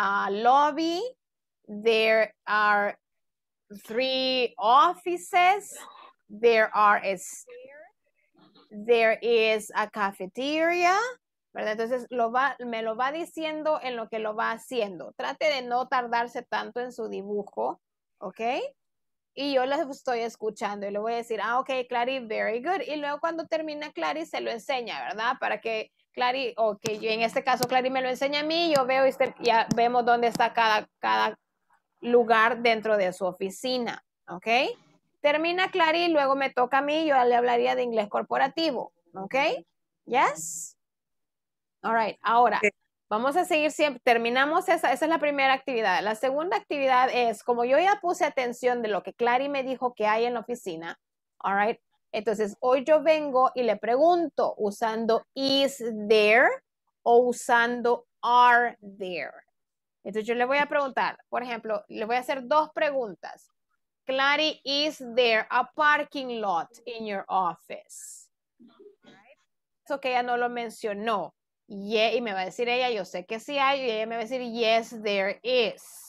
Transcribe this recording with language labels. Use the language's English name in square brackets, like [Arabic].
[English] Lobby, there are 3 offices, there are a stair, there is a cafeteria, [Spanish] ¿verdad? Entonces me lo va diciendo en lo que lo va haciendo. Trate de no tardarse tanto en su dibujo, ¿ok? Y yo lo estoy escuchando y le voy a decir, ah, ok, Clary, [English] very good. [Spanish] Y luego cuando termina Clary se lo enseña, ¿verdad? Para que Clary, o que yo en este caso Clary me lo enseña a mí, yo veo y ya vemos dónde está cada lugar dentro de su oficina, ¿ok? Termina Clary, luego me toca a mí, yo le hablaría de inglés corporativo, ¿ok? [English] ¿Yes? All right, [Spanish] ahora, vamos a seguir siempre, terminamos esa es la primera actividad. La segunda actividad es, como yo ya puse atención de lo que Clary me dijo que hay en la oficina, [English] all right, [Spanish] entonces, hoy yo vengo y le pregunto usando [English] is there [Spanish] o usando [English] are there. [Spanish] Entonces, yo le voy a preguntar, por ejemplo, le voy a hacer 2 preguntas. [English] Clary, is there a parking lot in your office? Right. [Spanish] Eso que ella no lo mencionó. Yeah, y me va a decir ella, yo sé que sí hay. Y ella me va a decir, [English] yes, there is.